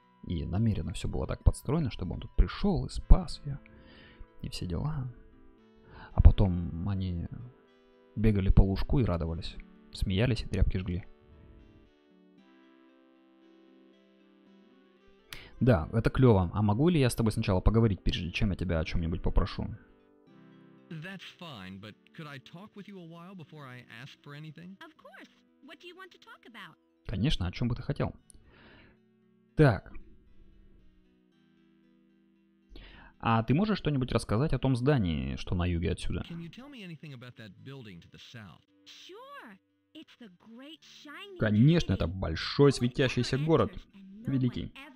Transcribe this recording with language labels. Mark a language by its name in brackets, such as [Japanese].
[Russian] И намеренно все было так подстроено, чтобы он тут пришел и спас ее. И все дела. А потом они бегали по лужку и радовались. Смеялись и тряпки жгли. Да, это клево. А могу ли я с тобой сначала поговорить, прежде чем я тебя о чем-нибудь попрошу? [English] That's fine, but could I talk with you a while before I ask for anything? Of course. What do you want to talk about? [Russian] Конечно, о чем бы ты хотел? Так. А ты можешь что-нибудь рассказать о том здании, что на юге отсюда? [English] Can you tell me anything about that building to the south? Sure. It's the great shining. [Russian] Конечно, это большой светящийся город. Великий.